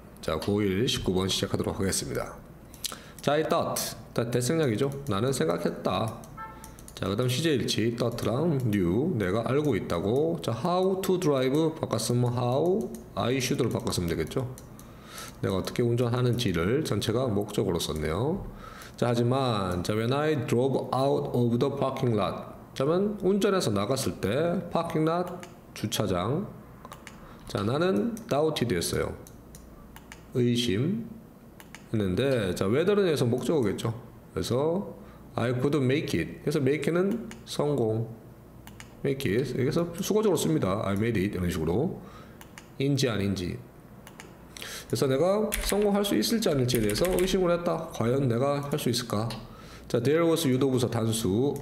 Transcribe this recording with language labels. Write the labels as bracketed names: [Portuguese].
[Korean] 자, 9일 19번 시작하도록 하겠습니다. 자, [English] I thought. [Korean] 대생략이죠. 나는 생각했다. 자, 그 다음 시제일치, thought랑 new, 내가 알고 있다고. 자, [English] how to drive [Korean] 바꿨으면 [English] how I should [Korean] 로 바꿨으면 되겠죠. 내가 어떻게 운전하는지를 전체가 목적으로 썼네요. 자, 하지만 자, [English] when I drove out of the parking lot. [Korean] 그러면 운전해서 나갔을 때 parking lot 주차장. 자, 나는 doubted 했어요. 의심 했는데, 자, whether는 여기서 목적어겠죠. 그래서 [English] I could make it. [Korean] 그래서 make는 성공. [English] make it. [Korean] 여기서 수고적으로 씁니다. [English] I made it. [Korean] 이런 식으로. 인지 아닌지. 그래서 내가 성공할 수 있을지 아닐지에 대해서 의심을 했다. 과연 내가 할 수 있을까? 자, [English] there was [Korean] 유도부사 단수.